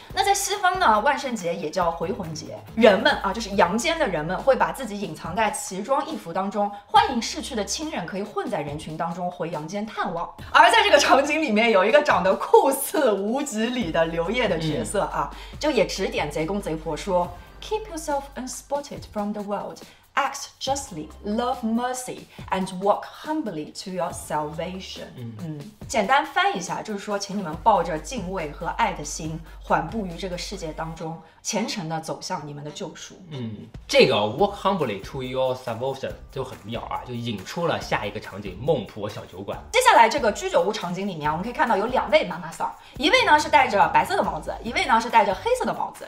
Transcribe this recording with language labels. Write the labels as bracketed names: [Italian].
[Chinese] 那在西方呢，万圣节也叫回魂节，人们啊，就是阳间的人们会把自己隐藏在奇装异服当中，欢迎逝去的亲人可以混在人群当中回阳间探望。而在这个场景里面，有一个长得酷似无极里的刘烨的角色啊，就也指点贼公贼婆说。 [English] Keep yourself unspotted from the world. Act justly, love mercy, and walk humbly to your salvation. [Chinese] 简单翻译一下，就是说，请你们抱着敬畏和爱的心，缓步于这个世界当中，虔诚地走向你们的救赎。这个 walk humbly to your salvation 就很妙啊，就引出了下一个场景——孟婆小酒馆。接下来这个居酒屋场景里面，我们可以看到有两位妈妈桑，一位呢是戴着白色的帽子，一位呢是戴着黑色的帽子。